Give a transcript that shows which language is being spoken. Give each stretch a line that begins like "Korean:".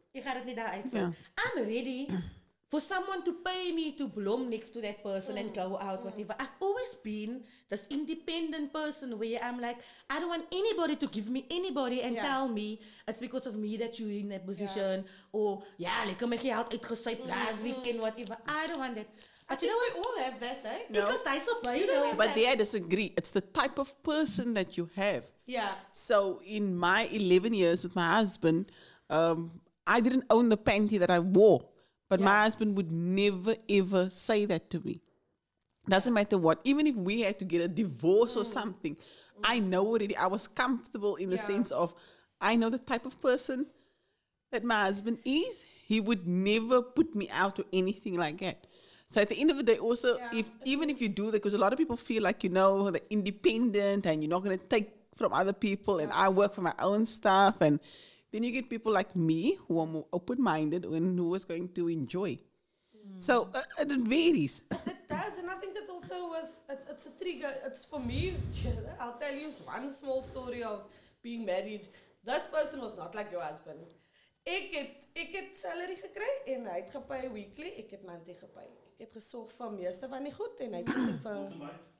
English: You got it now, I'm ready. For someone to pay me to bloom next to that person and go out, whatever. I've always been this independent person where I'm like, I don't want anybody to give me anybody and tell me it's because of me that you're in that position. Yeah. Or,
Afrikaans: lekker met geld uitgesuip
English: last weekend, whatever. I don't want that. But you know what? We all have that, eh? No. Because that's what you know. But there I disagree. It's the type of person that you have. Yeah. So in my 11 years with my husband, I didn't own the panty that I wore. But my husband would never, ever say that to me. Doesn't matter what. Even if we had to get a divorce or something, I know already. I was comfortable in the sense of, I know the type of person that my husband is. He would never put me out or anything like that. So at the end of the day, also, if you do that, because a lot of people feel like, you know, they're independent and you're not going to take from other people and I work for my own stuff and... Then you get people like me who are more open-minded and who is going to enjoy. So it varies. It does. And I think it's also with, it's a trigger. It's for me, I'll tell you one small story of being married. This person was not like your husband.
Afrikaans: Ek het salary gekry en hy het gepay weekly. Ek het maand gepay. Ek het gesorg vir meeste van die goed en hy het gesorg vir...